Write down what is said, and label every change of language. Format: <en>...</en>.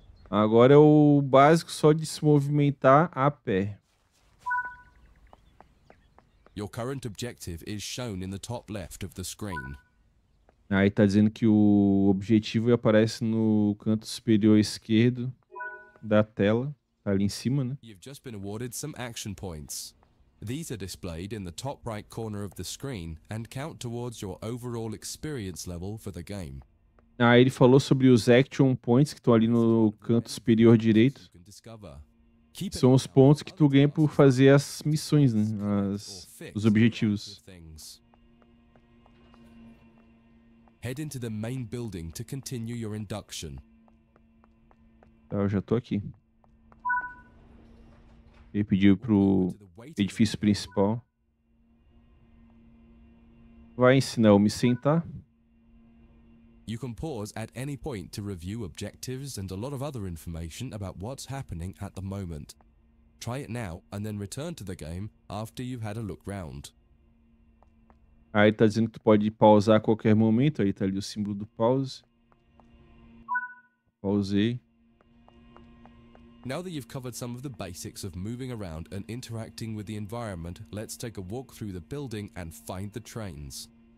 <pt>Agora é o básico só de se movimentar a pé.</pt> <en>Your current objective is shown in the top left of the screen.</en> <pt>Aí tá dizendo que o objetivo aparece no canto superior esquerdo da tela, tá ali em cima, né?</pt> <en>You've just been awarded some action points. These are displayed in the top right corner of the screen and count towards your overall experience level for the game.</en> <pt>Aí ele falou sobre os action points que estão ali no canto superior direito. São os pontos que tu ganha por fazer as missões, né? Os objetivos.</pt> <en>Head into the main building to continue your induction.</en> <pt>Tá, eu já tô aqui. Ele pediu pro edifício principal. Vai ensinar eu me sentar.</pt> <en>You can pause at any point to review objectives and a lot of other information about what's happening at the moment. Try it now and then return to the game after you've had a look round.</en> <pt>Aí tá dizendo que tu pode pausar a qualquer momento, aí tá ali o símbolo do pause. Pausei.</pt> <en>Now that you've covered some of the basics of moving around and interacting with the environment, let's take a walk through the building and find the trains.</en>